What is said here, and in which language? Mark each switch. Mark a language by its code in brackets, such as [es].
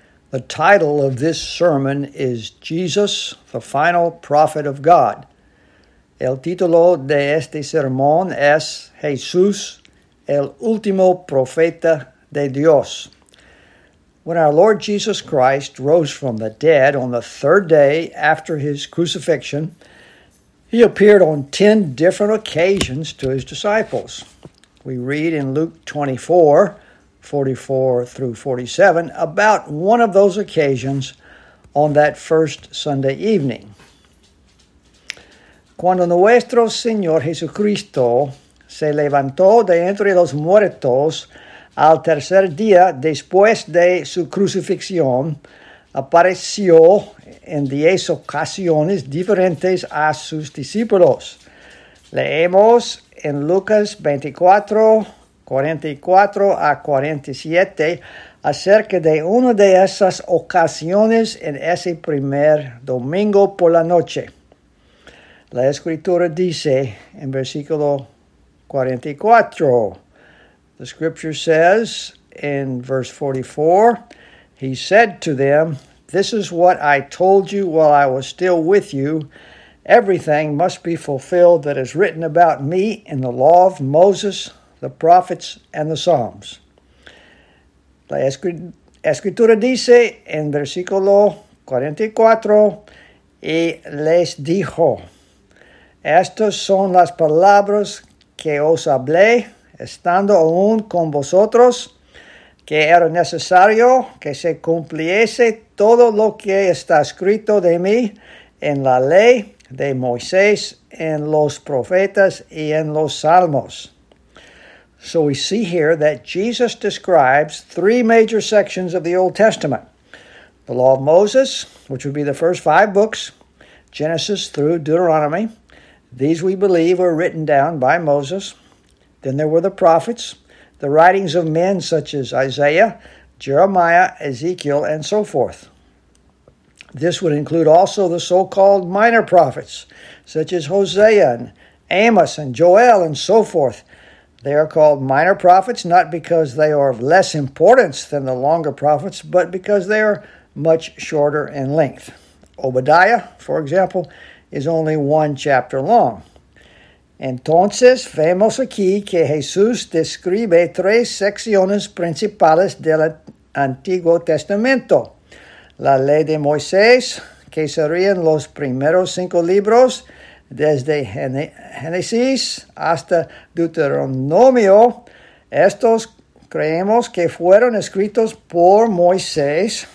[en] The title of this sermon is Jesus, the Final Prophet of God. [es] El título de este sermón es Jesús, el último profeta de Dios. [en] When our Lord Jesus Christ rose from the dead on the third day after his crucifixion, he appeared on 10 different occasions to his disciples. We read in Luke 24, 44 through 47, about one of those occasions on that first Sunday evening. [es] Cuando nuestro Señor Jesucristo se levantó de entre los muertos al tercer día después de su crucifixión, apareció en 10 ocasiones diferentes a sus discípulos. Leemos en Lucas 24, 44 a 47 acerca de una de esas ocasiones en ese primer domingo por la noche. La Escritura dice en versículo 44, [en] the Scripture says in verse 44, he said to them, this is what I told you while I was still with you. Everything must be fulfilled that is written about me in the law of Moses, the prophets, and the Psalms. [es] La Escritura dice en versículo 44, y les dijo, estas son las palabras que os hablé, estando aún con vosotros, que era necesario que se cumpliese todo lo que está escrito de mí en la ley de Moisés, en los profetas, y en los Salmos. [en] So we see here that Jesus describes three major sections of the Old Testament. The Law of Moses, which would be the first five books, Genesis through Deuteronomy. These we believe were written down by Moses. Then there were the prophets, the writings of men such as Isaiah, Jeremiah, Ezekiel, and so forth. This would include also the so-called minor prophets, such as Hosea and Amos and Joel and so forth. They are called minor prophets not because they are of less importance than the longer prophets, but because they are much shorter in length. Obadiah, for example, is only one chapter long. [es] Entonces, vemos aquí que Jesús describe tres secciones principales del Antiguo Testamento. La ley de Moisés, que serían los primeros cinco libros, desde Génesis hasta Deuteronomio, estos creemos que fueron escritos por Moisés.